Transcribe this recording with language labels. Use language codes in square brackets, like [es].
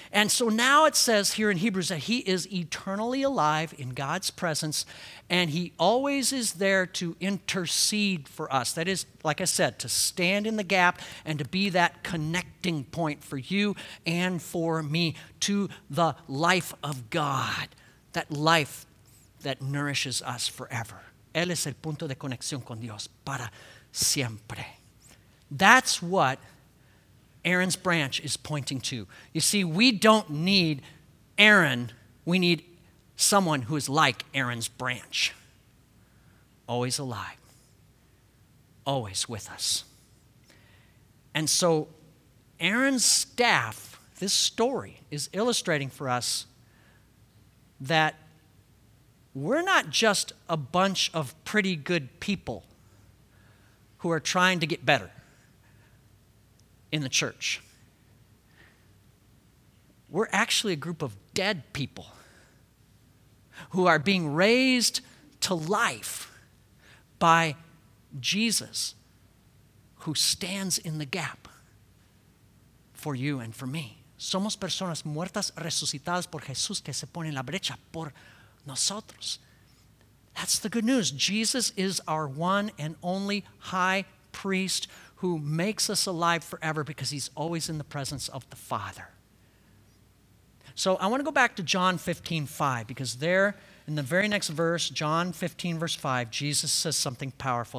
[en] And so now it says here in Hebrews that he is eternally alive in God's presence, and he always is there to intercede for us. That is, like I said, to stand in the gap and to be that connecting point for you and for me to the life of God, that life that nourishes us forever. [es] Él es el punto de conexión con Dios para siempre. [en] That's what Aaron's branch is pointing to. You see, we don't need Aaron. We need someone who is like Aaron's branch. Always alive. Always with us. And so Aaron's staff, this story, is illustrating for us that we're not just a bunch of pretty good people who are trying to get better in the church. We're actually a group of dead people who are being raised to life by Jesus, who stands in the gap for you and for me. [es] Somos personas muertas resucitadas por Jesús que se pone en la brecha por nosotros. [en] That's the good news. Jesus is our one and only high priest who makes us alive forever because he's always in the presence of the Father. So I want to go back to John 15, 5, because there in the very next verse, John 15, verse 5, Jesus says something powerful.